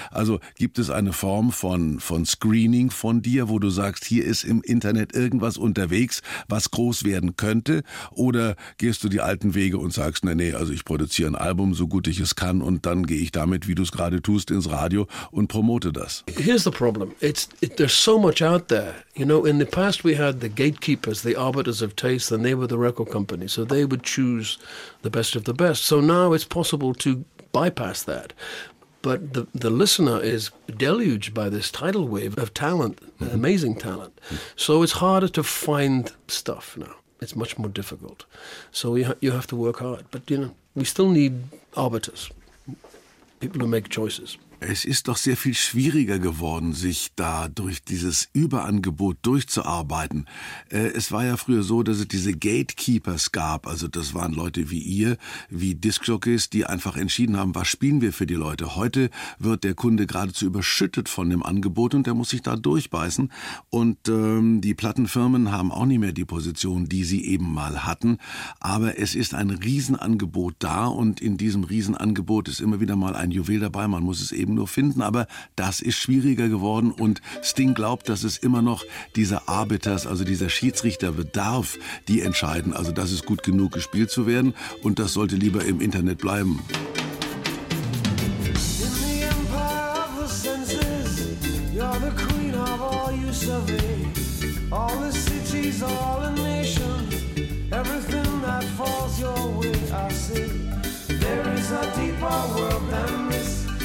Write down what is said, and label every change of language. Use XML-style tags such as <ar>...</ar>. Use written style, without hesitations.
<de>Also gibt es eine Form von Screening von dir, wo du sagst, hier ist im Internet irgendwas unterwegs, was groß werden könnte? Oder gehst du die alten Wege und sagst, nee, also ich produziere ein Album, so gut ich es kann und dann gehe ich damit, wie du es gerade tust, ins Radio und promote das? Problem.</de> <en>There's so much out there. You know, in the past we had the gatekeepers, the arbiters of taste, and they were the record company. So they would choose the best of the best. So now it's possible to bypass that. But the listener is deluged by this tidal wave of talent, amazing talent. So it's harder to find stuff now. It's much more difficult. So you have to work hard. But, you know, we still need arbiters, people who make choices.</en> <de>Es ist doch sehr viel schwieriger geworden, sich da durch dieses Überangebot durchzuarbeiten. Es war ja früher so, dass es diese Gatekeepers gab. Also das waren Leute wie ihr, wie Discjockeys, die einfach entschieden haben, was spielen wir für die Leute. Heute wird der Kunde geradezu überschüttet von dem Angebot und der muss sich da durchbeißen. Und die Plattenfirmen haben auch nicht mehr die Position, die sie eben mal hatten. Aber es ist ein Riesenangebot da und in diesem Riesenangebot ist immer wieder mal ein Juwel dabei. Man muss es eben nur finden, aber das ist schwieriger geworden und Sting glaubt, dass es immer noch dieser Arbiters, also dieser Schiedsrichter bedarf, die entscheiden, also dass es gut genug gespielt zu werden und das sollte lieber im Internet bleiben.</de> <en>In the empire of the senses, you're the queen of all you survey, all the cities, all the nations, everything that falls your way, I say, there is a deeper world than this.</en>